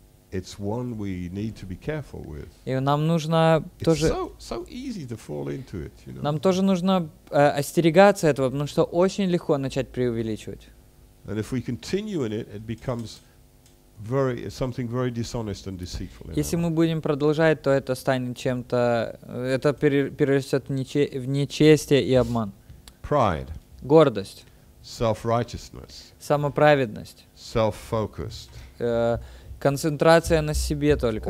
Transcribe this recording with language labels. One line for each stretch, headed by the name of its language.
English: It's one we need to be careful with.
Russian: И нам нужно тоже.
English: It's so easy to fall into it, you know.
Russian: Нам тоже нужно остерегаться этого, потому что очень легко начать преувеличивать.
English: And if we continue in it, it becomes very something very dishonest and deceitful.
Russian: Если мы будем продолжать, то это станет чем-то, это перерастет в нечестие и обман.
English: Pride.
Russian: Гордость.
English: Self-righteousness.
Russian: Самоправедность.
English: Self-focused.
Russian: Концентрация на себе только.